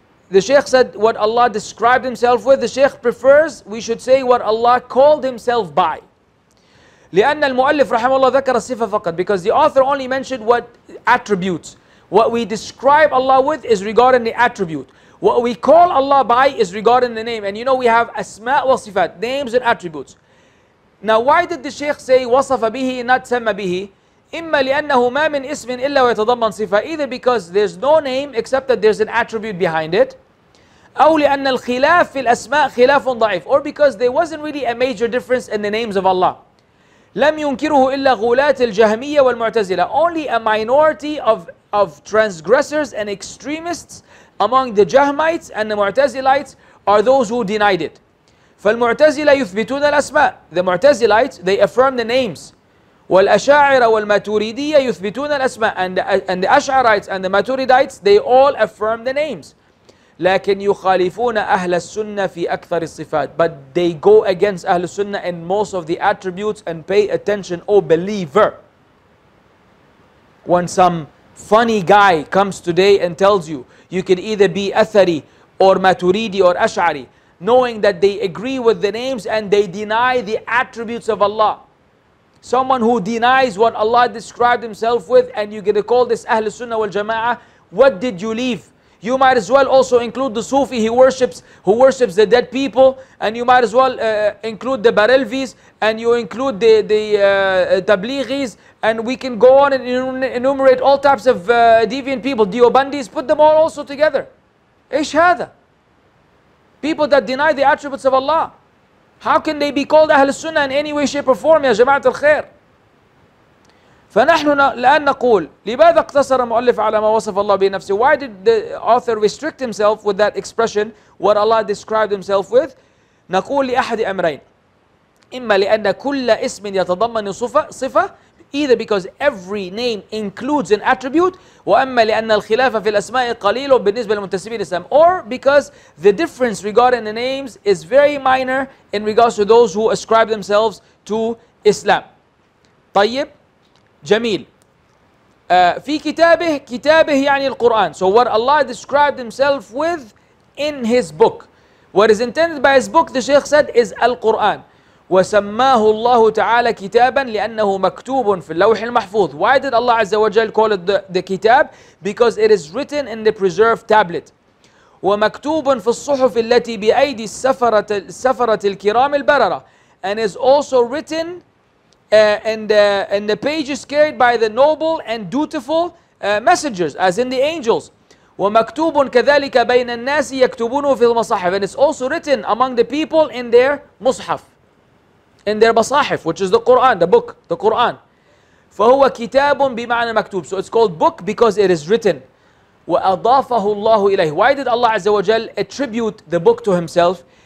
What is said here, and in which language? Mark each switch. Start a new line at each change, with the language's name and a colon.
English: The Sheikh said what Allah described Himself with, the Sheikh prefers we should say what Allah called Himself by.
Arabic: لأن المؤلف رحمه الله ذكر الصفة فقط.
English: Because the author only mentioned what attributes. What we describe Allah with is regarding the attribute. What we call Allah by is regarding the name. And you know we have asma wa sifat, names and attributes. Now, why did the Shaykh say
Arabic: وَصَفَ بِهِ
English: not
Arabic: سَمَّ بِهِ؟ إِمَّا لِأَنَّهُ مَا مِنْ إِسْمٍ إِلَّا وَيَتَضَمَّنْ صِفَةٍ.
English: Either because there's no name except that there's an attribute behind it.
Arabic: أَوْ لِأَنَّ الْخِلَافِ فِي الْأَسْمَاءِ خِلَافٌ ضَعِيفٌ.
English: Or because there wasn't really a major difference in the names of Allah.
Arabic: لَمْ يُنْكِرُهُ إِلَّا غُولَاتِ الْجَهْمِيَّةِ وَالْمُعْتَزِلَةِ.
English: Only a minority of transgressors and extremists among the Jahmites and the Mu'tazilites are those who denied it.
Arabic: فالمعتزلة يثبتون الأسماء.
English: The Mu'tazilites, they affirm the names.
Arabic: والأشاعرة والماتوريدية يثبتون الأسماء.
English: And the Ash'arites and the Maturidites, they all affirm the names.
Arabic: لكن يخالفون أهل السنة في أكثر الصفات.
English: But they go against أهل السنة in most of the attributes. And pay attention, O believer. When some funny guy comes today and tells you, you can either be Athari or Maturidi or Ash'ari, knowing that they agree with the names and they deny the attributes of Allah. Someone who denies what Allah described Himself with, and you're going to call this Ahl Sunnah wal Jama'ah, what did you leave? You might as well also include the Sufi who worships the dead people, and you might as well include the Barelvis, and you include the Tablighis, and we can go on and enumerate all types of deviant people, Diobandis, put them all also together. Ish hadha. People that deny the attributes of Allah. How can they be called Ahl Sunnah in any way, shape, or form? Ya Jama'at al-Khair.
Arabic: فنحن الآن نقول لماذا اقتصر المؤلف على ما وصف الله به نفسه.
English: Why did the author restrict himself with that expression, what Allah described himself with?
Arabic: نقول لأحد أمرين. إما لأن كل اسم يتضمن صفة.
English: Either because every name includes an attribute,
Arabic: وأما لأن الخلاف في الأسماء قليل بالنسبة للمنتسبين الإسلام,
English: or because the difference regarding the names is very minor in regards to those who ascribe themselves to Islam.
Arabic: طيب, جميل. في كتابه, كتابه يعني القرآن.
English: So what Allah described himself with in his book. What is intended by his book, the Sheikh said, is Al-Quran.
Arabic: وسماه الله تعالى كتابا لأنه مكتوب في اللوح المحفوظ.
English: Why did Allah عز وجل call it the كتاب? Because it is written in the preserved tablet.
Arabic: ومكتوب في الصحف التي بأيدي السفرة الكرام البررة.
English: And is also written in the pages carried by the noble and dutiful messengers, as in the angels.
Arabic: ومكتوب كذلك بين الناس يكتبونه في المصاحف.
English: And it's also written among the people in their مصحف. In their basahif, which is the Quran, the book, the Quran.
Arabic: فهو كتاب بمعنى مكتوب.
English: So it's called book because it is written.
Arabic: وأضافه الله إليه.
English: Why did Allah عز وجل attribute the book to himself?